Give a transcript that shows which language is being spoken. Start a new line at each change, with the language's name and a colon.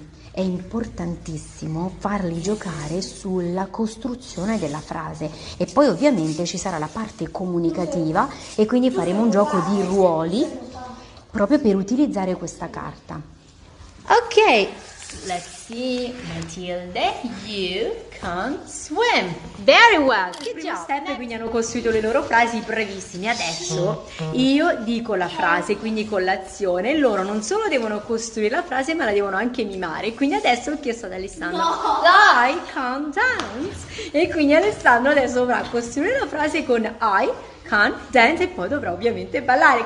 Italian: È importantissimo farli giocare sulla costruzione della frase e poi ovviamente ci sarà la parte comunicativa e quindi faremo un gioco di ruoli proprio per utilizzare questa carta.
English: Ok, let's see, Matilde, you can swim. Very well,
Italian: il primo step, quindi hanno costruito le loro frasi brevissime. Adesso io dico la frase, quindi con l'azione, loro non solo devono costruire la frase, ma la devono anche mimare. Quindi adesso ho chiesto ad Alessandro,
English: I can't dance.
Italian: E quindi Alessandro adesso dovrà costruire la frase con
English: I can't dance
Italian: e poi dovrà ovviamente ballare.